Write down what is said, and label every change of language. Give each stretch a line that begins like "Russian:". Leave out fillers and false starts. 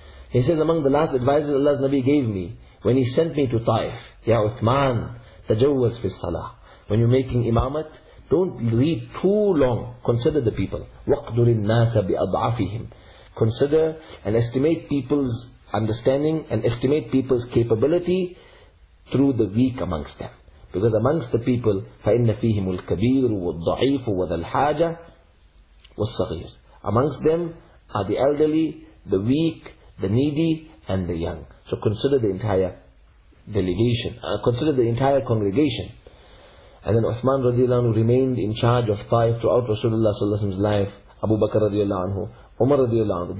English: He says, among the last advices Allah's Nabi gave me, when he sent me to Taif, Ya Uthman,
Arabic: tajawwaz fi salah.
English: When you're making imamat, don't read too long. Consider the people.
Arabic: وَقْدُرِ النَّاسَ بِأَضْعَفِهِمْ.
English: Consider and estimate people's understanding and estimate people's capability through the weak amongst them. Because amongst the people,
Arabic: فَإِنَّ فِيهِمُ الْكَبِيرُ وَالضَّعِيفُ وَذَا الْحَاجَةُ وَالصَّغِيرُ.
English: Amongst them are the elderly, the weak, the needy, and the young. So consider the entire delegation, consider the entire congregation. And then Uthman radiallahu anhu remained in charge of Taif throughout Rasulullah sallallahu alaihi wasallam's life, Abu Bakr radiallahu anhu, Umar radiallahu anhu.